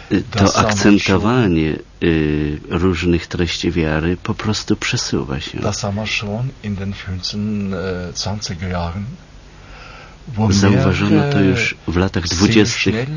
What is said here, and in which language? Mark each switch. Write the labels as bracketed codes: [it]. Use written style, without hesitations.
[pl] To akcentowanie różnych treści wiary po prostu przesuwa się. [de] Das haben wir schon in den 20er Jahren. [pl] Zauważono to już w latach 20.